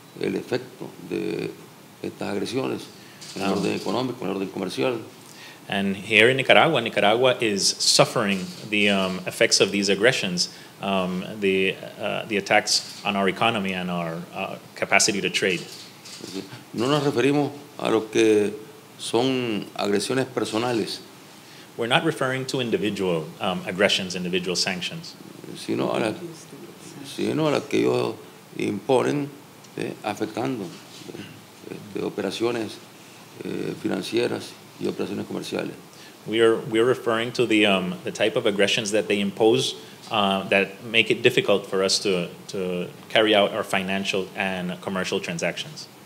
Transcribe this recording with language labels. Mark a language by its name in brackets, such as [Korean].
[Spanish] el efecto de estas agresiones en el orden económico, en el orden comercial. [English] And here in Nicaragua, Nicaragua is suffering the effects of these aggressions, the attacks on our economy and our capacity to trade. [Spanish] No nos referimos a lo que son agresiones personales. [English] We're not referring to individual aggressions, individual sanctions. [Spanish] Sino a la que ellos imponen, afectando de operaciones financieras y operaciones comerciales. [English] We are referring to the type of aggressions that they impose that make it difficult for us to carry out our financial and commercial transactions.